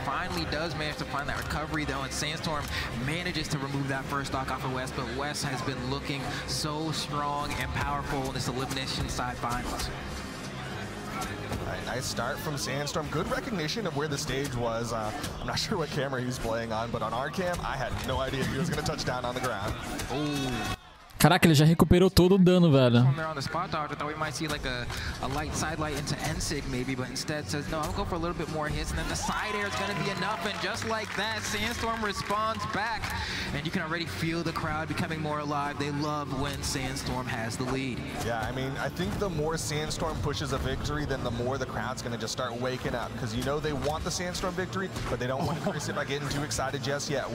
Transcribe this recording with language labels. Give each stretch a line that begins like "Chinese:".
English: Finally does manage to find that recovery, though, and Sandstorm manages to remove that first stock off of Wes, but Wes has been looking so strong and powerful in this elimination side finals. Right, nice start from Sandstorm. Good recognition of where the stage was. I'm not sure what camera he's playing on, but on our cam, I had no idea he was going to touch down on the ground. Ooh.
Portuguese: Caraca, ele já recuperou todo o dano, velho.
English: On the spot, Doctor, thought we might see like a light side light into N-Sig maybe, but instead says, no, I'll go for a little bit more hits, and then the side air is gonna be enough, and just like that, Sandstorm responds back, and you can already feel the crowd becoming more alive. They love when Sandstorm has the lead. Yeah, I mean, I think the more Sandstorm pushes a victory, then the more the crowd's gonna just start waking up, because you know they want the Sandstorm victory, but they don't want to increase it by getting too excited just yet.